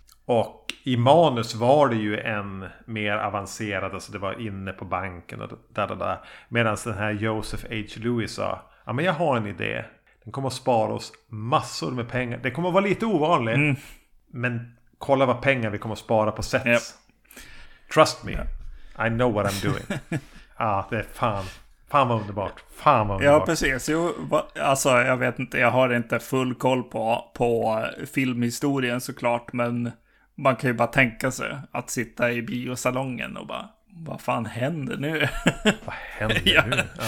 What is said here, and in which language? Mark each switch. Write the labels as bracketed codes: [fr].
[sv] Och i manus var det ju en mer avancerad, alltså det var inne på banken och där. Medan den här Joseph H. Lewis sa, ja men jag har en idé. Den kommer att spara oss massor med pengar. Det kommer att vara lite ovanligt, men kolla vad pengar vi kommer att spara på sets. [en] Yep. Trust me, yeah. I know what I'm doing. [sv] Ja, ah, det är fan. Fan vad underbart. Fan vad underbart. Ja, precis. Jo, alltså, jag vet inte, jag har inte full koll på filmhistorien såklart, men man kan ju bara tänka sig att sitta i biosalongen och bara, vad fan händer nu? Vad händer ja. Nu?